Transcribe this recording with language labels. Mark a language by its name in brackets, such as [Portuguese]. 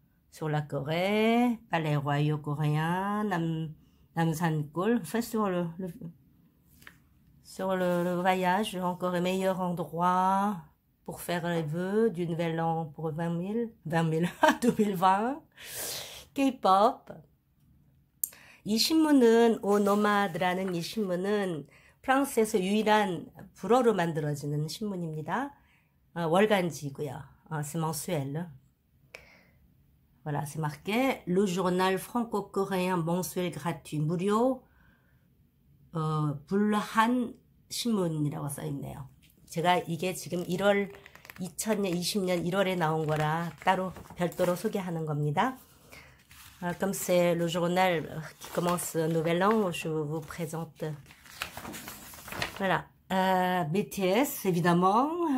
[French] Sur la Corée, Palais Royal coréen, Namsan-gol, enfin sur le voyage, encore le meilleur endroit pour faire les vœux du nouvel an pour 20 000 2020. K-pop. [Korean] 이 신문은, 오 노마드라는 이 신문은 프랑스에서 유일한 불어로 만들어지는 신문입니다. 월간지고요. [French] C'est mensuel. Voilà, c'est marqué. Le journal franco-coréen mensuel gratuit, [Korean] 무료, 불한 신문이라고 써있네요. 제가 이게 지금 1월, 2020년 1월에 나온 거라 따로 별도로 소개하는 겁니다. [French] Comme c'est le journal qui commence un nouvel an, je vous présente. Voilà. BTS, évidemment.